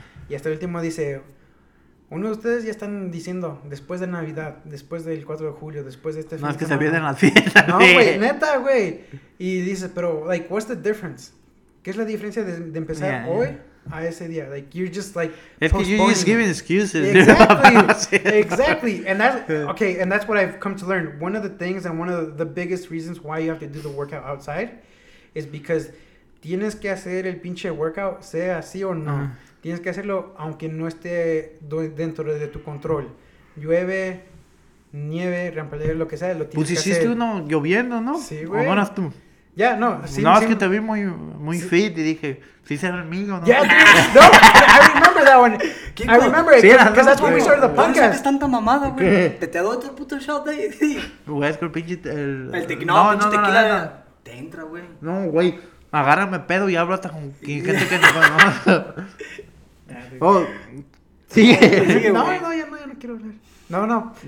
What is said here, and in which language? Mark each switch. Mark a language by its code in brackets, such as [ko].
[es] Y hasta el último dice, uno de ustedes ya están diciendo, después de Navidad, después del 4 de julio, después de este... No, es que se vienen las fiestas. No, güey, neta, güey. Y dice, pero, [en] like, what's the difference? [es] ¿Qué es la diferencia de empezar hoy a ese día? [en] Like, you're just, like, if postponing. You're just giving excuses. Exactly. Exactly. And that's, okay, and that's what I've come to learn. One of the things and one of the biggest reasons why you have to do the workout outside is because... [es] Tienes que hacer el pinche workout, sea así o no. Tienes que hacerlo aunque no esté dentro de tu control. Llueve, nieve, rampaleo, lo que sea, lo tienes pues que hacer. Pues hiciste uno lloviendo, ¿no? Sí, güey. ¿O no eras tú? Ya, no. Sí, no, sí, es que te vi muy sí. Fit y dije, sí será el mío, ¿no? [en] Yeah, dude, no, I remember that one. Kiko, I remember it, because sí, that's when we started the podcast. [es] ¿Por qué tanta mamada, güey? ¿Qué? Te doy otro puto shot de ahí. Güey, es que el pinche... El tecno, no, pinche no, tequila. No, te entra, güey. No, güey. Agárrame pedo y hablo hasta con gente que no conozco. Oh, sigue. No, ya no quiero hablar. No.